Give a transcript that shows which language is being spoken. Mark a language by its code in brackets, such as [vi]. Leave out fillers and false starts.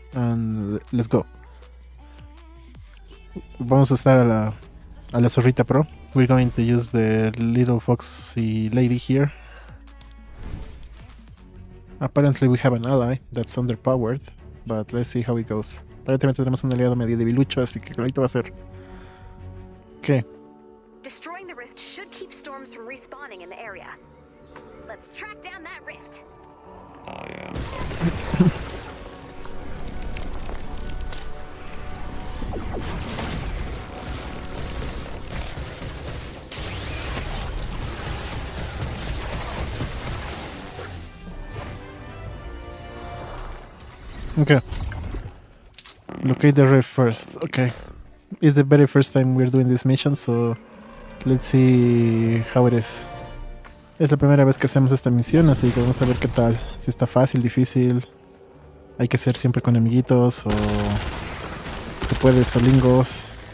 [en] And let's go. [es] Vamos a estar a la zorrita pro. [en] We're going to use the little foxy lady here. Apparently we have an ally that's underpowered, but let's see how it goes. [es] Aparentemente tenemos un aliado medio debilucho, así que clarito va a ser. ¿Qué? [en] Destroying the rift should keep storms from respawning in the area. Let's track down that rift. Okay. Locate the rift first. Okay. It's the very first time we're doing this mission, so let's see how it is. [es] Es la primera vez que hacemos esta misión, así que vamos a ver qué tal. Si está fácil, difícil. Hay que ser siempre con amiguitos o tú puedes solingos.